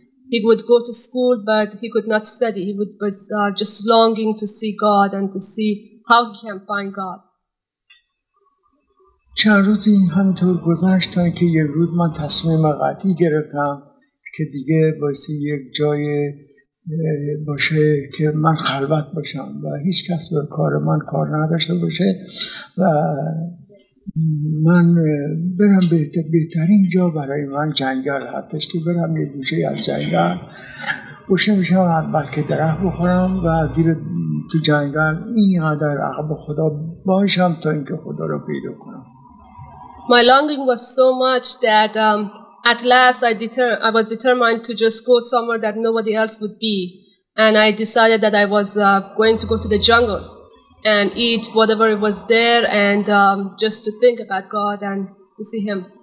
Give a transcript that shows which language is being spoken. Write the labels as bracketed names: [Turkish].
[English] He would go to school, but he could not study. He was just longing to see God and to see how he can find God. [Persian] چند روز این همینطور گذشت تا اینکه یه روز من تصمیم قطعی گرفتم که دیگه باید یک جای باشه که من خلوت باشم و هیچ کس به کار من کار نداشته باشه و من برم بهترین جا برای من جنگل هستش که برم یه گوشه از جنگل باشه میشم از بلکه درخت بخورم و دیر تو جنگل اینقدر عقب خدا باشم تا اینکه خدا رو پیدا کنم. [English] My longing was so much that at last I was determined to just go somewhere that nobody else would be, and I decided that I was going to go to the jungle and eat whatever was there and just to think about God and to see him.